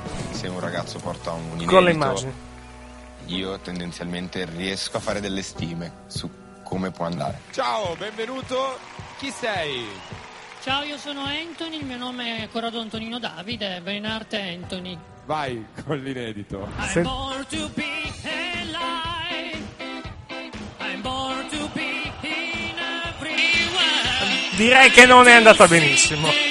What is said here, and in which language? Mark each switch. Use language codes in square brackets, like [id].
[it] Se un ragazzo porta un inedito, con le immagini, io tendenzialmente riesco a fare delle stime su come può andare. Ciao, benvenuto. Chi sei? Ciao, io sono Anthony, il mio nome è Corrado Antonino Davide, Venarte Anthony. Vai con l'inedito. [en] I'm born to be alive, I'm born to be in everywhere. [it] Direi che non è andata benissimo.